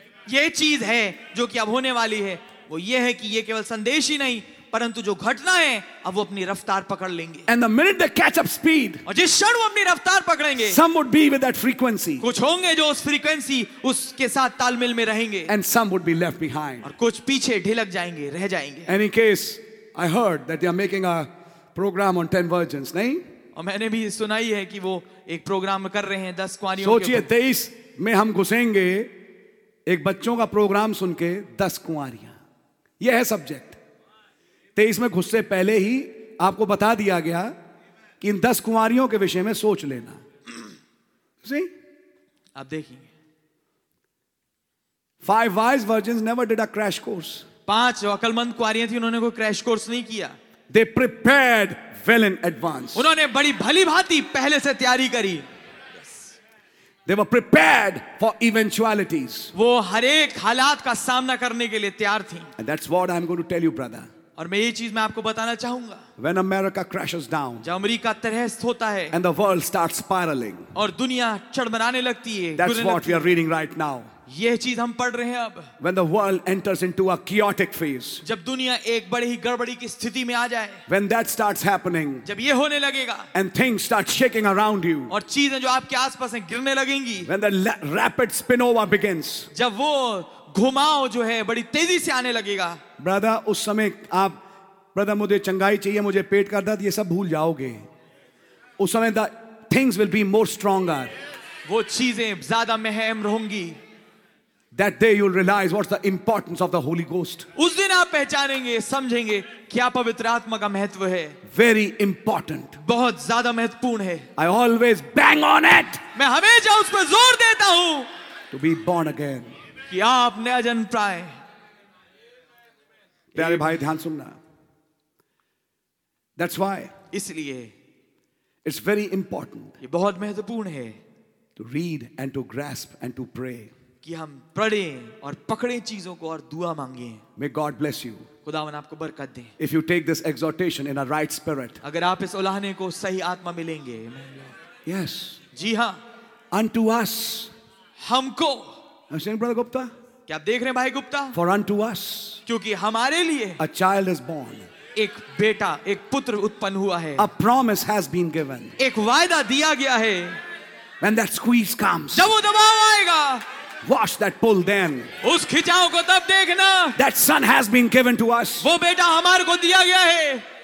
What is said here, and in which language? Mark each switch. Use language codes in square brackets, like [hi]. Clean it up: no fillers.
[hi] ये चीज है जो कि अब होने वाली है, वो ये है कि ये केवल संदेश ही नहीं, परंतु जो घटना है अब वो अपनी रफ्तार पकड़ लेंगे। [en] and the minute they catch up speed, [hi] और जिस क्षण वो अपनी रफ्तार पकड़ेंगे, [en] some would be with that frequency, [hi] कुछ होंगे जो उस फ्रीक्वेंसी उसके साथ तालमेल में रहेंगे, [en] and some would be left behind, [hi] और कुछ पीछे ढिलक जाएंगे, रह जाएंगे। [en] Any case, I heard that they are making a program on 10 virgins, नहीं? [hi] और मैंने भी सुनाई है कि वो एक प्रोग्राम कर रहे हैं 10 कुंवारियों के। सोचिए 23 में हम घुसेंगे, एक बच्चों का प्रोग्राम सुन के 10 कुंवारियां, यह है सब्जेक्ट। 23 में घुसने पहले ही आपको बता दिया गया कि इन 10 कुंवारियों के विषय में सोच लेना। [en] see [hi] आप देखिए, [en] 5 wise virgins never did a crash course. [hi] 5 अकलमंद कुंवारियां थी, उन्होंने कोई क्रैश कोर्स नहीं किया। [en] They prepared well in advance. [hi] उन्होंने बड़ी भली भांति पहले से तैयारी करी। [en] They were prepared for eventualities. [hi] वो हर एक हालात का सामना करने के लिए तैयार थी। [en] And that's what I'm going to tell you, brother. [hi] और मैं ये चीज मैं आपको बताना चाहूंगा। [en] When America crashes down, [hi] जब अमेरिका तहस होता है, [en] and the world starts spiraling, [hi] और दुनिया चड़मराने लगती है, [en] that's what we are reading right now. [hi] ये चीज हम पढ़ रहे हैं अब। [en] When the world enters into a chaotic phase, [hi] जब दुनिया एक बड़े ही गड़बड़ी की स्थिति में आ जाए, [en] When that starts happening, [hi] जब ये होने लगेगा, [en] And things start shaking around you, [hi] और चीजें जो आपके आसपास हैं गिरने लगेंगी, [en] When the rapid spinover begins, [hi] जब वो घुमाव जो है बड़ी तेजी से आने लगेगा, ब्रदर उस समय आप, ब्रदर मुझे चंगाई चाहिए, मुझे पेट का दर्द, ये सब भूल जाओगे। उस समय [en] the things will be more stronger, [hi] वो चीजें ज्यादा महम रहूंगी। [en] That day you'll realize what's the importance of the Holy Ghost. [hi] उस दिन आप पहचानेंगे, समझेंगे क्या पवित्र आत्मा का महत्व है। [en] Very important. [hi] बहुत ज़्यादा महत्वपूर्ण है। [en] I always bang on it. [hi] मैं हमेशा उस पर जोर देता हूँ। [en] To be born again. [hi] कि आप नया जन्म पाए। प्यारे भाई ध्यान सुनना। [en] That's why. [hi] इसलिए। [en] It's very important. [hi] ये बहुत महत्वपूर्ण है। [en] To read and to grasp and to pray. [hi] कि हम पढ़ें और पकड़ें चीजों को और दुआ मांगें। [en] May God bless you. [hi] खुदावन आपको बरकत दे। [en] If you take this exhortation in a right spirit, [hi] अगर आप इस उलाहने को सही आत्मा मिलेंगे। [en] Yes. [hi] जी हाँ। [en] Unto us. [hi] हमको। [en] I'm saying, Brother Gupta. [hi] क्या आप देख रहे हैं भाई गुप्ता? [en] For unto us. [hi] क्योंकि हमारे लिए। [en] A child is born. [hi] एक बेटा, एक पुत्र उत्पन्न हुआ है। [en] A promise has been given. [hi] एक वायदा दिया गया है। [en] When that squeeze comes. [hi] जब वो दबाव आएगा। [en] Watch that pull then. [hi] उस खिंचाव को तब देखना। [en] That son has been given to us. [hi] वो बेटा हमारे को दिया गया है।